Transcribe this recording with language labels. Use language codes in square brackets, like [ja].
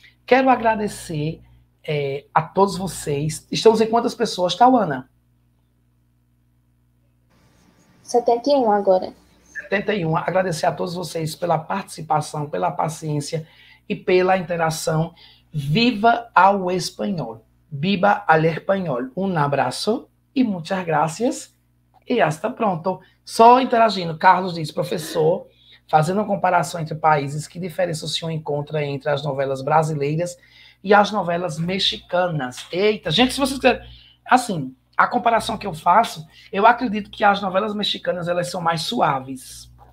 [pt] Quero agradecer a todos vocês. Estamos em quantas pessoas, Thauanny? 71 agora. 71. Agradecer a todos vocês pela participação, pela paciência e pela interação. Viva ao espanhol. Viva al espanhol. [es] Un abrazo e muchas gracias. [pt] E hasta pronto. Só interagindo. Carlos diz, professor, fazendo uma comparação entre países, que diferença o senhor encontra entre as novelas brasileiras e as novelas mexicanas? Eita, gente, se vocês quiserem... Assim, a comparação que eu faço, eu acredito que as novelas mexicanas, elas são mais suaves.